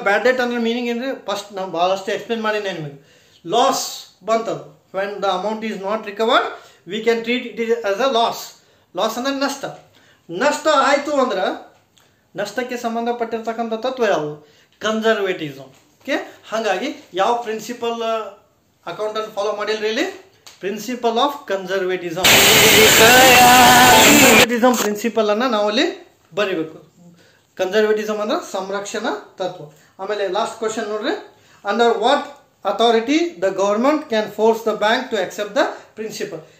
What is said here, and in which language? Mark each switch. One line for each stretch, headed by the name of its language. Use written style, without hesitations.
Kannada: ಬ್ಯಾಡ್ debt ಅಂದ್ರೆ meaning ಏನ್ರಿ? First ನಾವು ಭಾಳಷ್ಟು ಎಕ್ಸ್ಪ್ಲೇನ್ ಮಾಡಿದ್ದೆ ನಿಮಗೆ.
English: Loss ಬಂತದ್ದು when the amount is not recovered, we can treat it is as a loss.
Kannada: Loss ಅಂದರೆ ನಷ್ಟ. ನಷ್ಟ ಆಯಿತು ಅಂದ್ರೆ ನಷ್ಟಕ್ಕೆ ಸಂಬಂಧಪಟ್ಟಿರ್ತಕ್ಕಂಥ ತತ್ವ ಯಾವುದು? ಕನ್ಸರ್ವೇಟಿಸಮ್. ಓಕೆ, ಹಾಗಾಗಿ ಯಾವ ಪ್ರಿನ್ಸಿಪಲ್ ಅಕೌಂಟನ್ನು ಫಾಲೋ ಮಾಡಿಲ್ಲ ರೀ ಇಲ್ಲಿ?
English: principle of conservatism.
Kannada: Conservatism principle ಅನ್ನ ನಾವು ಇಲ್ಲಿ ಬರೀಬೇಕು. ಕನ್ಸರ್ವೇಟಿಸಮ್ ಅಂದ್ರೆ ಸಂರಕ್ಷಣಾ ತತ್ವ. ಆಮೇಲೆ ಲಾಸ್ಟ್ ಕ್ವಶನ್ ನೋಡ್ರಿ,
English: Under what authority the government can force the bank to accept the principal.